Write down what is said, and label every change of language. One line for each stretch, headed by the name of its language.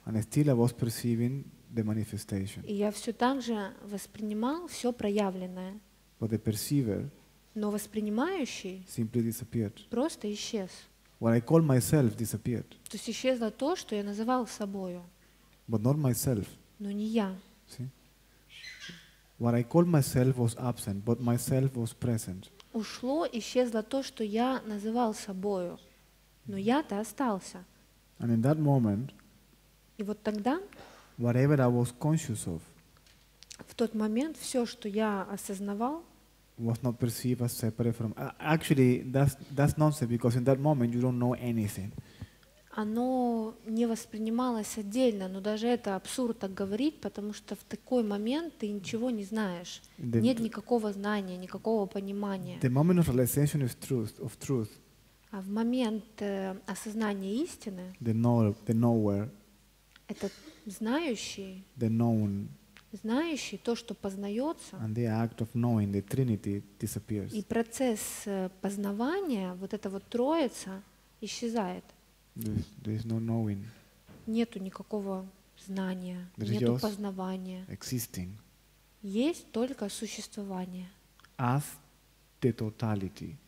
English: And still I was perceiving the manifestation.
Russian: И я все так же воспринимал все проявленное.
English: But the perceiver,
Russian: но воспринимающий,
English: simply disappeared.
Russian: Просто исчез.
English: What I call myself disappeared.
Russian: То есть исчезло то, что я называл собою.
English: But not myself.
Russian: Но не я.
English: See? What I call myself was absent, but myself was present.
Russian: Ушло, исчезло то, что я называл собою, но я-то остался.
English: And in that moment,
Russian: и вот тогда,
English: whatever I was conscious of,
Russian: в тот момент все, что я осознавал,
English: was not perceived as separate from. Actually, that's nonsense because in that moment you don't know anything.
Russian: Оно не воспринималось отдельно, но даже это абсурд так говорить, потому что в такой момент ты ничего не знаешь. Нет никакого знания, никакого понимания.
English: The moment of realization is truth, of truth.
Russian: А в момент осознания истины,
English: the knower,
Russian: это знающий,
English: the known,
Russian: знающий то, что познается,
English: and the act of knowing, the Trinity disappears.
Russian: И процесс познавания, вот эта вот Троица, исчезает.
English: There's no knowing.
Russian: Нету никакого знания, нету познавания.
English: Existing.
Russian: Есть только существование.
English: As the totality.